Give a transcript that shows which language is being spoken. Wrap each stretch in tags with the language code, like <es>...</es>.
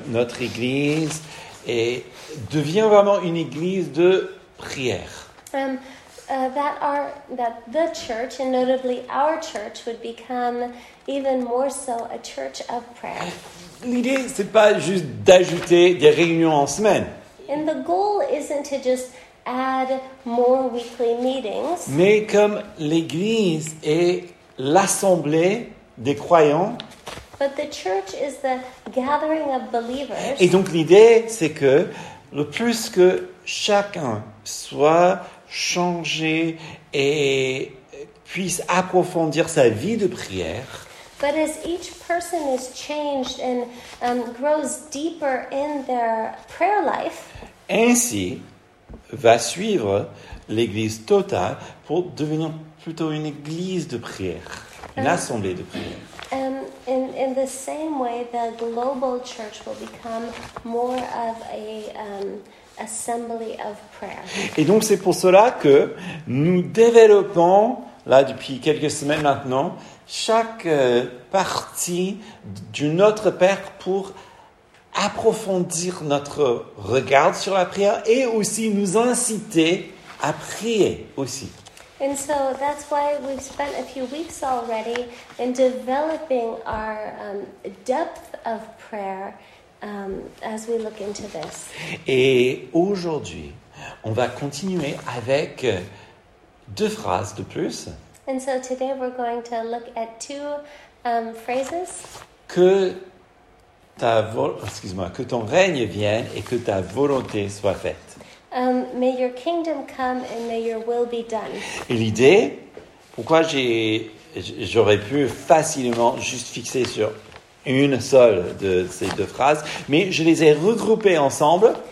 <fr>notre église et devient vraiment une église de prière.</fr> <en>That the church and notably our church would become even more so a church of prayer.</en> <fr>L'idée, c'est pas juste d'ajouter des réunions en semaine.</fr> <en>And the goal isn't to just add more weekly meetings.</en> <fr>Mais comme l'église est l'assemblée des croyants.</fr> <en>But the church is the gathering of believers.</en> <fr>Et donc l'idée, c'est que le plus que chacun soit changé et puisse approfondir sa vie de prière.</fr> <en>But as each person is changed and grows deeper in their prayer life,</en> <fr>ainsi va suivre l'église totale pour devenir plutôt une église de prière, une assemblée de prière.</fr> <en>In the same way, the global church will become more of a assembly of prayer.</en> <fr>Et donc c'est pour cela que nous développons là depuis quelques semaines maintenant chaque partie d'une autre paire pour approfondir notre regard sur la prière et aussi nous inciter à prier aussi.</fr> <en>And so that's why we've spent a few weeks already in developing our depth of prayer as we look into this.</en> <fr>Et aujourd'hui, on va continuer avec deux phrases de plus.</fr> <en>And so today we're going to look at two phrases.</en> <fr>Que ton règne vienne et que ta volonté soit faite.</fr> <en>May your kingdom come and may your will be done.</en> <fr>Et l'idée, pourquoi j'aurais pu facilement juste fixer sur une seule de ces deux phrases, mais je les ai regroupées ensemble.</fr>